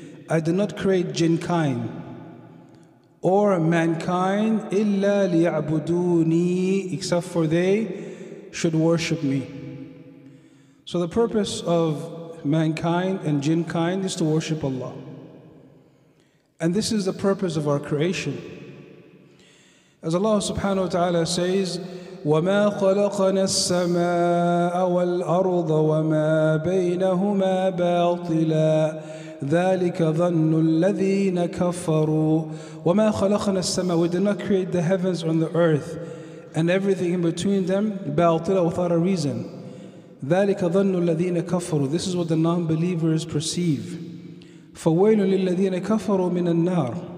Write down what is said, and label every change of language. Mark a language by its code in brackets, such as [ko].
[en] I did not create jinnkind or mankind. [ar] إِلَّا لِيَعْبُدُونِي, [en] except for they should worship me. So the purpose of mankind and jinnkind is to worship Allah. And this is the purpose of our creation. As Allah subhanahu wa ta'ala says, [ar] وَمَا خَلَقَنَا السَّمَاءَ وَالْأَرْضَ وَمَا بَيْنَهُمَا بَاطِلًا ذَلِكَ ظَنُّ الَّذِينَ كَفَرُوا. وَمَا خَلَقَنَا السَّمَاءَ, [en] we did not create the heavens on the earth and everything in between them, [ar] بَاطِلًا, [en] without a reason. [ar] ذَلِكَ ظَنُّ الَّذِينَ كَفَرُوا, [en] this is what the non-believers perceive. [ar] فَوَيْلٌ لِلَّذِينَ كَفَرُوا مِنَ النَّارِ.